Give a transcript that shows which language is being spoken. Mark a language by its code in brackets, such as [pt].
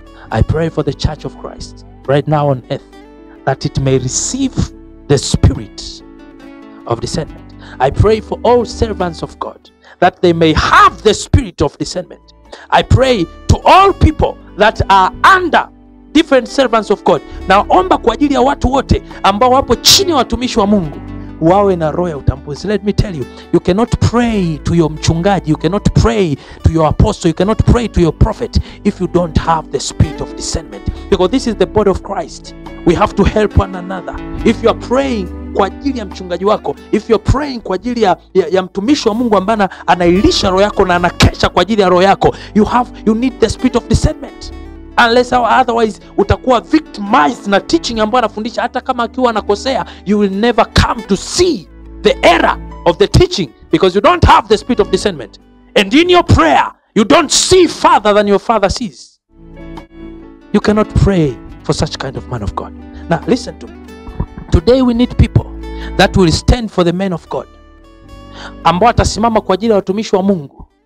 [en] I pray for the church of Christ right now on earth that it may receive the spirit of discernment. I pray for all servants of God that they may have the spirit of discernment. I pray to all people that are under different servants of God. [sw] Naomba kwa ajili ya watu wote ambao wapo chini ya watumishi wa Mungu. Wawe na roho ya utambuzi. [en] Let me tell you, you cannot pray to your mchungaji, you cannot pray to your apostle, you cannot pray to your prophet if you don't have the spirit of discernment. Because this is the body of Christ. We have to help one another. If you are praying [sw] kwa ajili ya mchungaji wako, [en] if you are praying [sw] kwa ajili ya mtumishi wa Mungu ambaye anailisha roho yako [en] na anakesha kwa ajili ya roho yako, you need the spirit of discernment. Unless or otherwise, [sw] utakuwa victimized na teaching ambayo anafundisha. Hata kama akiwa anakosea, [en] you will never come to see the error of the teaching because you don't have the spirit of discernment. And in your prayer, you don't see further than your father sees. You cannot pray for such kind of man of God. Now, listen to me. Today we need people that will stand for the men of God. [sw] Ambao atasimama kwa ajili ya watumishi wa Mungu.